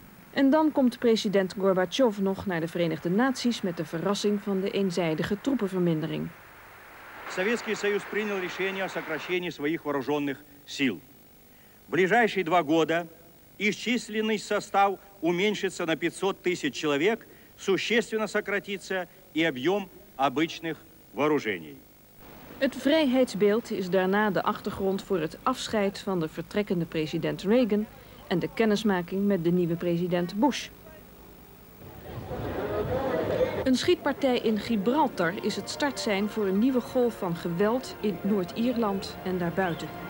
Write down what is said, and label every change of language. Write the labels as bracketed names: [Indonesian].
[Dutch] En dan komt president Gorbachev nog naar de Verenigde Naties met de verrassing van de eenzijdige troepenvermindering. De Sovjetische Unie heeft besloten om zijn krachten te beperken. De komende twee jaar [Russian] исчисленный состав уменьшится на 500 тысяч человек, существенно сократится и объем обычных вооружений. [Dutch] Het vrijheidsbeeld is daarna de achtergrond voor het afscheid van de vertrekkende president Reagan en de kennismaking met de nieuwe president Bush. Een schietpartij in Gibraltar is het startsein voor een nieuwe golf van geweld in Noord-Ierland en daarbuiten.